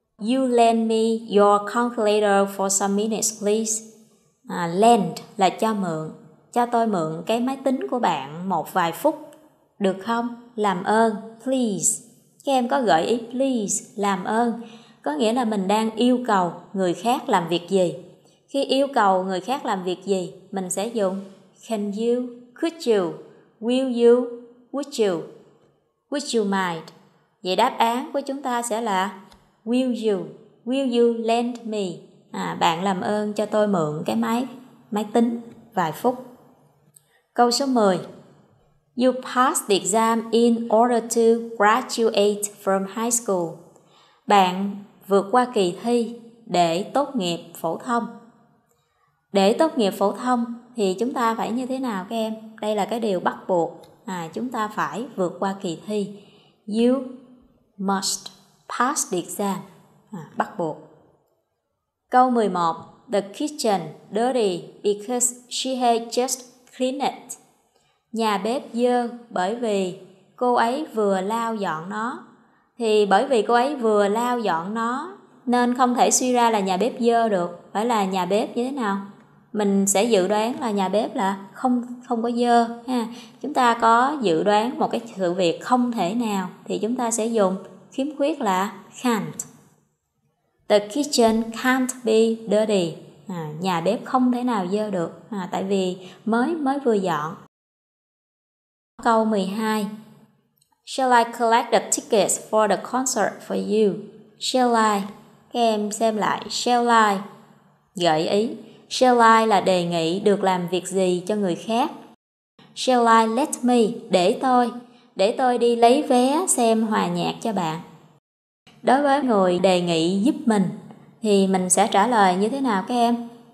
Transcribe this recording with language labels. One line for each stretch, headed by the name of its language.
English: You lend me your calculator for some minutes, please.
Vietnamese: Lend là cho mượn. Cho tôi mượn cái máy tính của bạn một vài phút được không? Làm ơn, please. Các em có gợi ý please, làm ơn, có nghĩa là mình đang yêu cầu người khác làm việc gì. Khi yêu cầu người khác làm việc gì, mình sẽ dùng
English: can you, could you, will you, would you, would you mind.
Vietnamese: Vậy đáp án của chúng ta sẽ là
English: will you lend me.
Vietnamese: Bạn làm ơn cho tôi mượn cái máy tính vài phút. Câu số 10.
English: You passed the exam in order to graduate from high school.
Vietnamese: Bạn vượt qua kỳ thi để tốt nghiệp phổ thông. Để tốt nghiệp phổ thông thì chúng ta phải như thế nào các em? Đây là cái điều bắt buộc. Chúng ta phải vượt qua kỳ thi.
English: You must pass the exam.
Vietnamese: Bắt buộc. Câu 11.
English: The kitchen dirty because she had just clean it.
Vietnamese: Nhà bếp dơ bởi vì cô ấy vừa lau dọn nó. Thì bởi vì cô ấy vừa lau dọn nó nên không thể suy ra là nhà bếp dơ được. Phải là nhà bếp như thế nào? Mình sẽ dự đoán là nhà bếp là không có dơ ha. Chúng ta có dự đoán một cái sự việc không thể nào thì chúng ta sẽ dùng khiếm khuyết là can't.
English: The kitchen can't be dirty.
Vietnamese: Nhà bếp không thể nào dơ được, tại vì mới vừa dọn. Câu 12.
English: Shall I collect the tickets for the concert for you?
Vietnamese: Shall I? Các em xem lại. Shall I? Gợi ý. Shall I là đề nghị được làm việc gì cho người khác.
English: Shall I let me?
Vietnamese: Để tôi. Để tôi đi lấy vé xem hòa nhạc cho bạn. Đối với người đề nghị giúp mình, thì mình sẽ trả lời như thế nào các em?